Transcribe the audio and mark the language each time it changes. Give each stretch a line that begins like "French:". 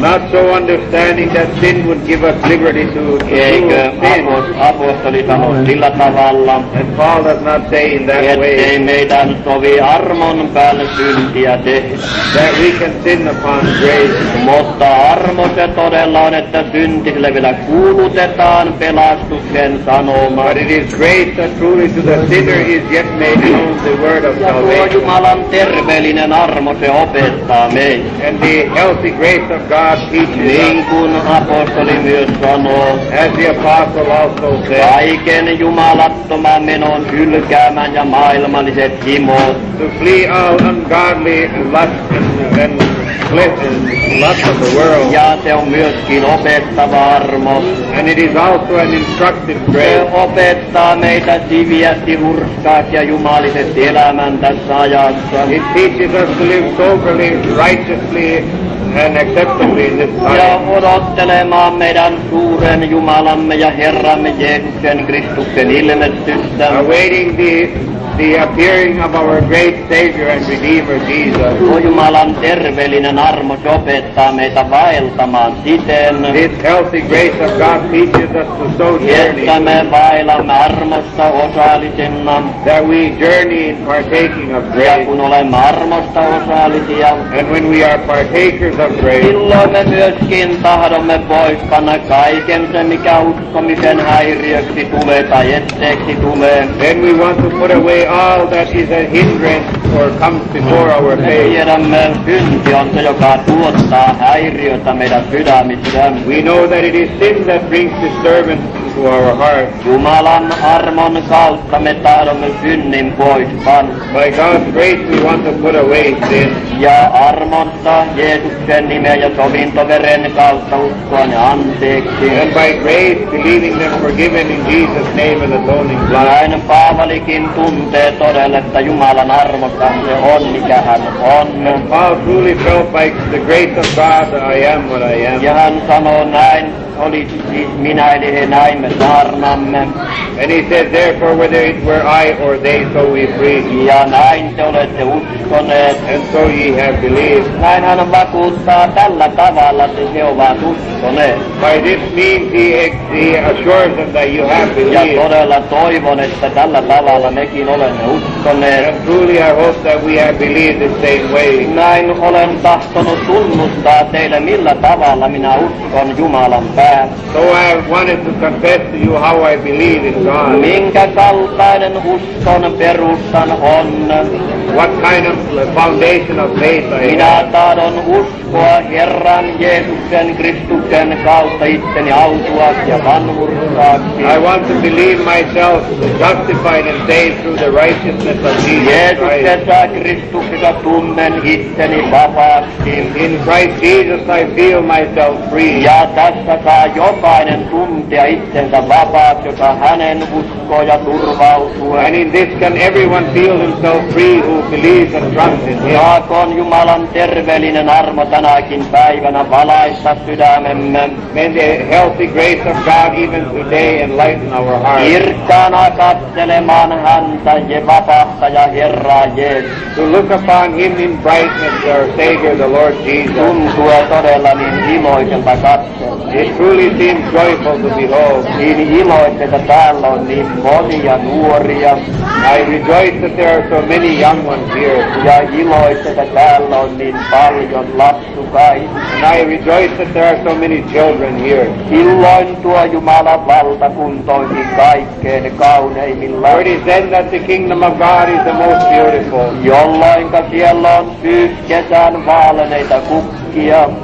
English: Not so understanding that sin would give us liberty to
Finnish: eikö apostoli sano sillä tavalla.
English: And Paul does not say in that
Finnish: ettei
English: way.
Finnish: Ettei meidän sovi armon päälle syntiä tehdä.
English: That we can sin upon grace.
Finnish: Mutta armo se todella on, että syntisille vielä kuulutetaan pelastuksen sanoma.
English: But it is grace that truly to the sinner is yet made known the word of salvation.
Finnish: Ja tuo Jumalan terveellinen armo se opettaa meitä.
English: and the healthy grace of God teaches
Finnish: niin kuin apostoli myös sanoo,
English: as the apostle also said,
Finnish: kaiken jumalattoman menon hylkäämän ja maailmalliset himot,
English: to flee all ungodly lusts and lust of the world.
Finnish: Ja se on myöskin opettava armo.
English: And it is also an instructive grace.
Finnish: Se opettaa meitä siviästi hurskaat ja jumaliset elämän tässä ajassa.
English: It teaches us to live soberly, righteously, and acceptably in this time.
Finnish: Ja odottelemaan meidän suuren Jumalamme ja Herramme Jeesuksen Kristuksen ilmestystä.
English: Awaiting the appearing of our great Savior and Redeemer Jesus.
Finnish: O Jumalan terveellinen armo opettaa meitä vaeltamaan siten.
English: This healthy grace of God teaches us to so journey.
Finnish: Että me vaelamme armosta osallisena.
English: That we journey in partaking of grace.
Finnish: Ja kun olemme armosta osallisia.
English: And when we are partakers of grace.
Finnish: Silloin me myöskin tahdomme poispanna kaiken se, mikä uskomisen häiriöksi tulee tai etteeksi tulee.
English: Then we want to put away all that is a hindrance or comes before our faith.
Finnish: Me tiedämme, synti on se, joka tuottaa häiriötä meidän sydämissämme.
English: We know that it is sin that brings disturbance to our heart.
Finnish: Jumalan armon kautta me tahdomme synnin pois pan.
English: By God's grace we want to put away sin.
Finnish: Ja armonta Jeesuksen nimeä ja sovintoveren kautta uskoon ja anteeksi.
English: And by grace believing them forgiven in Jesus' name and atoning blood.
Finnish: Näin Paavalikin tuntee todella, että Jumalan armo se on, mikä hän on.
English: And Paul truly felt by the grace of God I am what I am.
Finnish: Ja hän sanoo näin, oli siis minä eli he näin me saarnamme.
English: And he said, therefore whether it were I or they, so we preach.
Finnish: Ja näin te olette uskoneet.
English: And so ye have believed.
Finnish: Näin hän vakuuttaa tällä tavalla, että he ovat uskoneet.
English: By this means he assures them that you have believed.
Finnish: Ja todella toivon, että tällä tavalla mekin olemme uskoneet.
English: And truly I hope that we have believed the same way.
Finnish: Näin olen tahtonut tunnustaa teille, millä tavalla minä uskon Jumalan päät.
English: So I wanted to confess to you how I believe in God.
Finnish: Minkä kaltainen uskon perustan on?
English: What kind of foundation of faith I have?
Finnish: Minä tahdon uskoa Herran Jeesuksen Kristuksen kautta itteni autuaksi ja vanhurskaaksi.
English: I want to believe myself justified and saved through the righteousness of Jesus Christ.
Finnish: Jeesuksessa Kristuksessa tunnen itteni vapaasti.
English: In Christ Jesus I feel myself free.
Finnish: Ja tässä saa jokainen tuntea itsensä vapaaksi, joka hänen uskoo ja turvautuu.
English: And in this can everyone feel himself free who believes and trusts in him.
Finnish: Saakoon Jumalan terveellinen armo tänäkin päivänä valaista sydämemme.
English: May the healthy grace of God even today enlighten our hearts.
Finnish: Irkkaana katselemaan häntä ja vapahtaja Herraa Jeesus.
English: To look upon him in brightness, our Savior, the Lord Jesus.
Finnish: Tuntuu todella niin iloiselta katsoa.
English: It truly seems joyful to behold.
Finnish: Niin iloista, että täällä on niin monia nuoria.
English: I rejoice that there are so many young ones here.
Finnish: Ja iloista, että täällä on niin paljon lapsukaisia.
English: And I rejoice that there are so many children here.
Finnish: Silloin tuo Jumalan valtakuntoihin kaikkeen kauneimmilla.
English: For it is then that the kingdom of God is the most beautiful.
Finnish: Jolloinka siellä on syyskesän vaaleneita kukkia.